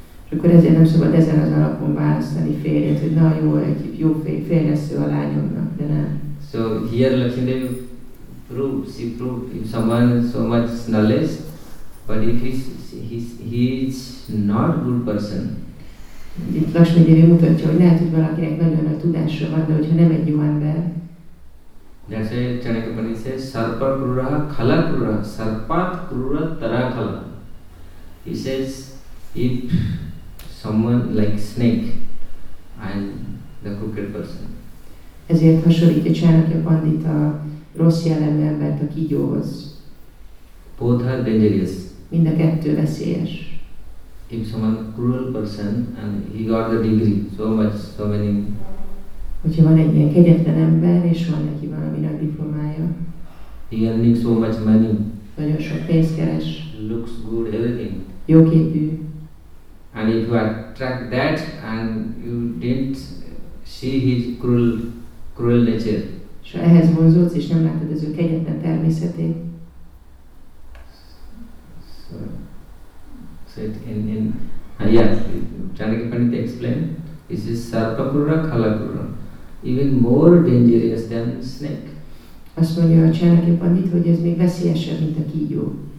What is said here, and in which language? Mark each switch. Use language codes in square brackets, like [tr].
[hu] És akkor ezért nem szabad ezen az alapon választani férjet, hogy na jó, egy jó férjesző a lányomnak, de nem. [en] So here Lakshmidevi proves, she proves if someone so much knowledge, but if he is not good person. [hu] Itt Lakshmidevi mutatja, hogy lehet, hogy valakinek nagyon nagy tudásra van, de hogyha nem egy jó ember. [en] That's why Chanakya Pandit says, [sa] sarpa krura khala krura, sarpat krura tara khala. [en] He says, if someone like snake and the crooked person. [hu] Ezért hasonlítja Chanakya Pandit a rossz jellemű embert a kígyóhoz. [en] Both are dangerous. [hu] Mind a kettő veszélyes. [en] If someone cruel person and he got the degree, so much, so many. [hu] Hogyha van egy ilyen kegyetlen ember, és van neki valami nagy diplomája. [en] He earning so much money. [hu] Nagyon sok pénzt keres. [en] Looks good, everything. [hu] Jó képű. [en] And if you attract that and you didn't see his cruel nature. [hu] És ha ehhez vonzódsz, és nem látod az ő kegyetlen természetét. [en] So it in Chanakya Pandit explained, this is [sa] sarpa krura khala krura. [en] Even more dangerous than snake. [hu] Azt mondja a Chanakya Pandit, hogy ez még veszélyesebb, mint a kígyó.